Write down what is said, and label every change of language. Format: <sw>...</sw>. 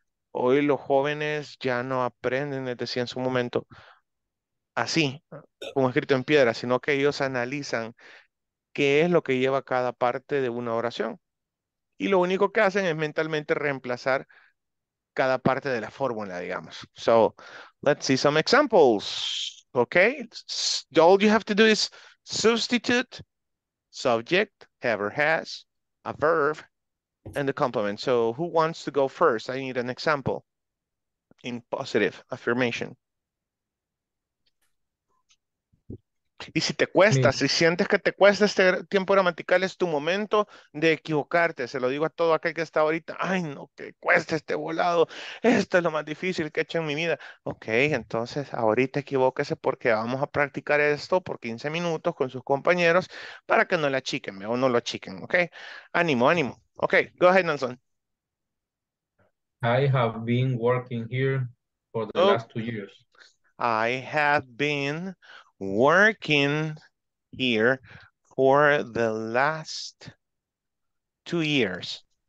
<es>Hoy los jóvenes ya no aprenden, les decía en su momento, así, como escrito en piedra, sino que ellos analizan qué es lo que lleva cada parte de una oración. Y lo único que hacen es mentalmente reemplazar cada parte de la fórmula, digamos.</es> <en>So, let's see some examples, okay? All you have to do is substitute subject, have or has, a verb, and the complement. So, who wants to go first? I need an example in positive affirmation.</en> <es>Y si te cuesta, si sientes que te cuesta este tiempo gramatical, es tu momento de equivocarte. Se lo digo a todo aquel que está ahorita. Ay, no, que cuesta este volado. Esto es lo más difícil que he hecho en mi vida. Ok, entonces ahorita equivóquese porque vamos a practicar esto por 15 minutos con sus compañeros para que no la achiquen, o no lo achiquen. Ok, ánimo, ánimo.</es> <en>Ok, go ahead,</en> <es>Nelson.</es> <en>I have been working here for the last 2 years. I have been working here for the last 2 years.</en>